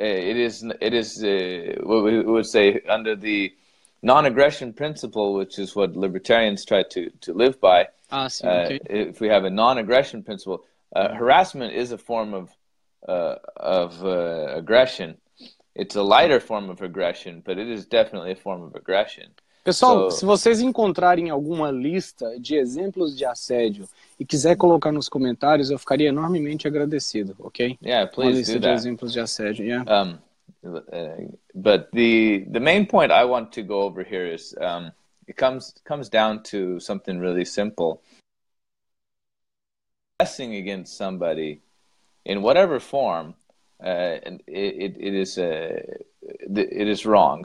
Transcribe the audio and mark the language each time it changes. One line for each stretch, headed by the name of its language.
English: It is what we would say under the non-aggression principle, which is what libertarians try to live by. If we have a non-aggression principle, harassment is a form of aggression. It's a lighter form of aggression, but it is definitely a form of aggression.
Portuguese: Pessoal, se vocês encontrarem alguma lista de exemplos de assédio e quiser colocar nos comentários, eu ficaria enormemente agradecido, ok?
English: Yeah, please do that.
Portuguese: Uma lista de exemplos de assédio,
English: yeah. But the main point I want to go over here is it comes down to something really simple. Pressing against somebody in whatever form, it is wrong.